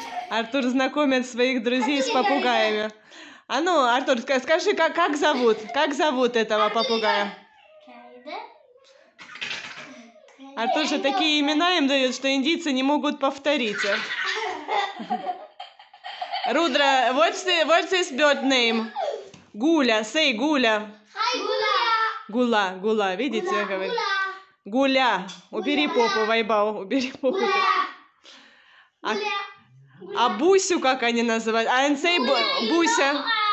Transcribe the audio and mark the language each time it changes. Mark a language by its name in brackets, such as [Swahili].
[Russian] Артур знакомит своих друзей с попугаями. А ну, Артур, скажи, как зовут? Как зовут этого попугая? Артур же такие имена им дает, что индийцы не могут повторить. [English] Рудра, what's his bird name? Гуля, say Гуля. [Russian] Гула, гула, видите, гула, я говорю? Гуля. Гуля. Убери попу, Вайбау, убери попу. Гуля. А Бусю как они называют? А энсей Буся.